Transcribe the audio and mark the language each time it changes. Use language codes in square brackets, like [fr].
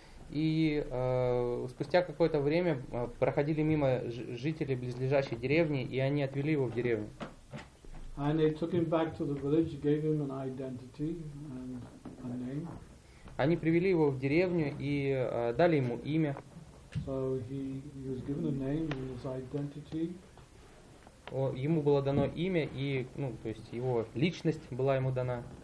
[ru] И спустя какое-то время проходили мимо жители близлежащей деревни, и они отвели его в деревню. [en] And they took him back to the village, gave him an identity and a name. [ru] Они привели его в деревню и дали ему имя. [en] So he was given a name and his identity. [ru] Ему было дано имя и, ну, то есть его личность была ему дана.